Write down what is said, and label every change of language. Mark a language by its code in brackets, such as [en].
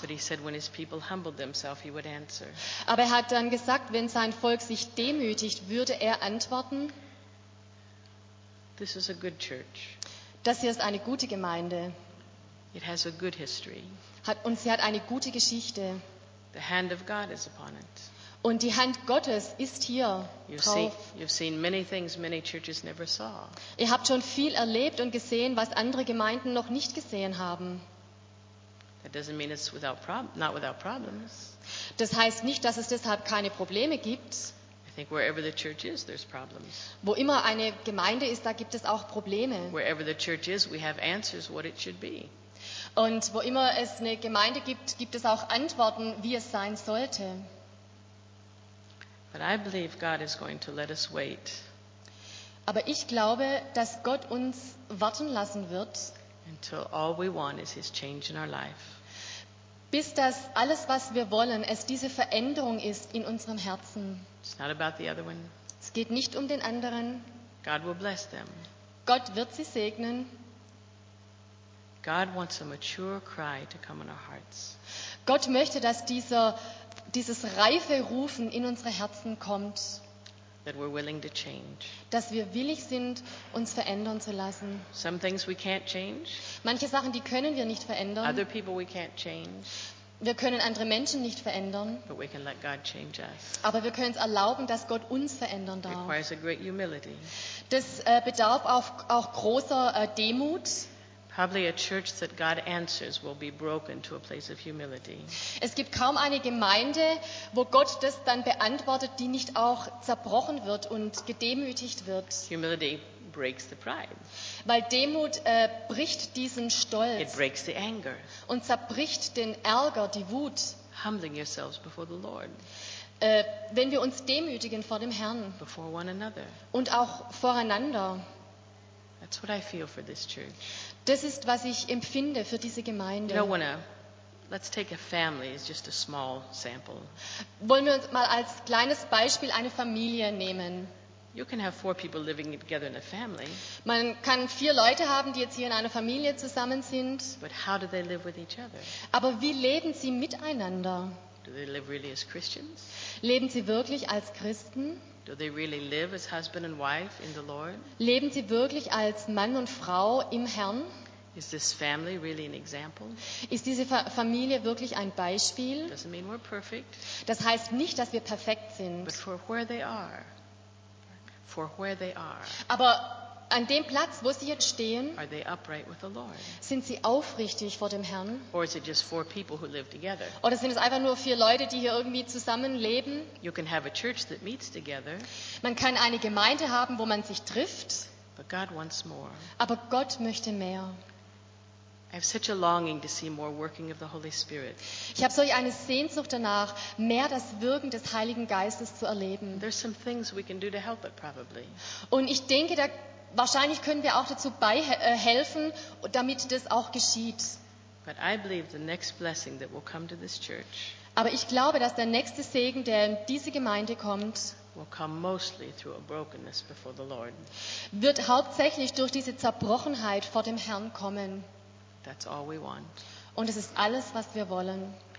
[en] But he said when his people humbled themselves, he would answer. [de] Aber er hat dann gesagt, wenn sein Volk sich demütigt, würde er antworten. [en] This is a good church. [de] Das hier ist eine gute Gemeinde. [en] It has a good history. [de] Und sie hat eine gute Geschichte. [en] The hand of God is upon it. [de] Und die Hand Gottes ist hier drauf. [en] You've seen many things many churches never saw. [de] Ihr habt schon viel erlebt und gesehen, was andere Gemeinden noch nicht gesehen haben. [en] That doesn't mean it's without not without problems. [de] Das heißt nicht, dass es deshalb keine Probleme gibt. [en] I think wherever the church is, there's problems. [de] Wo immer eine Gemeinde ist, da gibt es auch Probleme. [en] Wherever the church is, we have answers what it should be. [de] Und wo immer es eine Gemeinde gibt, gibt es auch Antworten, wie es sein sollte. [en] But I believe God is going to let us wait. [de] Aber ich glaube, dass Gott uns warten lassen wird. [en] Until all we want is his change in our life. [de] Bis das alles, was wir wollen, es diese Veränderung ist in unserem Herzen. [en] It's not about the other one. [de] Es geht nicht um den anderen. [en] God will bless them. [de] Gott wird sie segnen. [en] God wants a mature cry to come in our hearts. [de] Gott möchte, dass dieses reife Rufen in unsere Herzen kommt. [en] That we're willing to change. [de] Dass wir willig sind, uns verändern zu lassen. [en] Some things we can't change. [de] Manche Sachen, die können wir nicht verändern. [en] Other people we can't change. [de] Wir können andere Menschen nicht verändern. [en] But we can let God change us. [de] Aber wir können es erlauben, dass Gott uns verändern darf. [en] It requires a great humility. [de] Das bedarf auch großer Demut. [en] Probably a church that God answers will be broken to a place of humility. [de] Es gibt kaum eine Gemeinde, wo Gott das dann beantwortet, die nicht auch zerbrochen wird und gedemütigt wird. [en] Humility breaks the pride. [de] Weil Demut bricht diesen Stolz. [en] It breaks the anger. [de] Und zerbricht den Ärger, die Wut. [en] Humbling yourselves before the Lord. [de] Wenn wir uns demütigen vor dem Herrn. [en] Before one another. [de] Und auch voreinander. [en] That's what I feel for this church. [de] Das ist, was ich empfinde für diese Gemeinde. [en] You know, let's take a family as just a small sample. [de] Wollen wir uns mal als kleines Beispiel eine Familie nehmen? [en] You can have four people living together in a family. [de] Man kann vier Leute haben, die jetzt hier in einer Familie zusammen sind. [en] But how do they live with each other? [de] Aber wie leben sie miteinander? [en] Do they live really as Christians? [de] Leben sie wirklich als Christen? [en] Do they really live as husband and wife in the Lord? [de] Leben sie wirklich als Mann und Frau im Herrn? [en] Is this family really an example? [de] Ist diese Familie wirklich ein Beispiel? [en] Doesn't mean we're perfect. [de] Das heißt nicht, dass wir perfekt sind. [en] But for where they are. For where they are. [de] Aber an dem Platz, wo sie jetzt stehen, [en] are they upright with the Lord? [de] Sind sie aufrichtig vor dem Herrn? [en] Or is it just four people who live together? [de] Oder sind es einfach nur vier Leute, die hier irgendwie zusammenleben? [en] You can have a church that meets together. [de] Man kann eine Gemeinde haben, wo man sich trifft. [en] But God wants more. [de] Aber Gott möchte mehr. [en] I have such a longing to see more working of the Holy Spirit. [de] Ich habe solch eine Sehnsucht danach, mehr das Wirken des Heiligen Geistes zu erleben. [en] There's some things we can do to help it, probably. [de] Und ich denke, da wahrscheinlich können wir auch dazu beihelfen, damit das auch geschieht. [en] But I believe the next blessing that will come to this church. [de] Aber ich glaube, dass der nächste Segen, der in diese Gemeinde kommt, [en] will come mostly through a brokenness before the Lord. [de] Wird hauptsächlich durch diese Zerbrochenheit vor dem Herrn kommen. [en] That's all we want. [de] Und es ist alles, was wir wollen.